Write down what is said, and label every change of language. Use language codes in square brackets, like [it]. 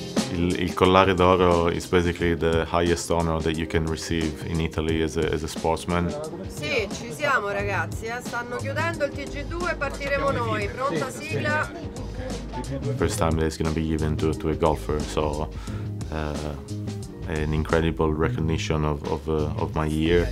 [en] Il Collare d'Oro is basically the highest honor that you can receive in Italy as a sportsman. [it] Sì, ci siamo ragazzi, stanno chiudendo il TG2 e partiremo noi. Pronta sigla? [en] First time that it's going to be given to a golfer, so an incredible recognition of my year.